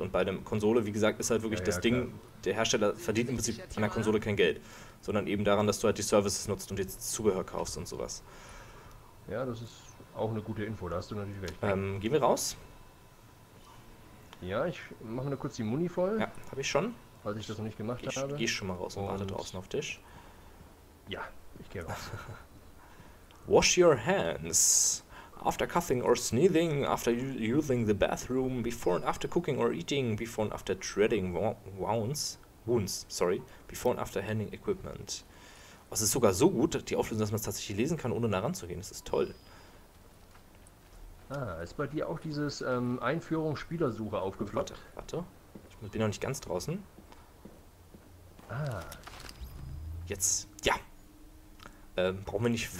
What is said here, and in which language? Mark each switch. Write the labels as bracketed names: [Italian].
[German] Und bei der Konsole, wie gesagt, ist halt wirklich ja, das klar. Ding, der Hersteller verdient im Prinzip an der Konsole kein Geld, sondern eben daran, dass du halt die Services nutzt und jetzt Zubehör kaufst und sowas. Ja, das ist auch eine gute Info, da hast du natürlich recht. Gehen wir raus? Ja, ich mache nur kurz die Muni voll. Ja, habe ich schon. Weil ich das noch nicht gemacht habe. Geh schon mal raus und warte draußen auf Tisch. Ja, ich gehe raus. [English] Wash your hands. After coughing or sneezing, after using the bathroom, before and after cooking or eating, before and after treading wounds, before and after handling equipment. [German] Es ist sogar so gut, die Auflösung, dass man es tatsächlich lesen kann, ohne nah ranzugehen. Das ist toll. Ah, ist bei dir auch dieses Einführungsspielersuche aufgefloppt? Warte, ich bin noch nicht ganz draußen. Ah. Jetzt, ja. Brauchen wir nicht...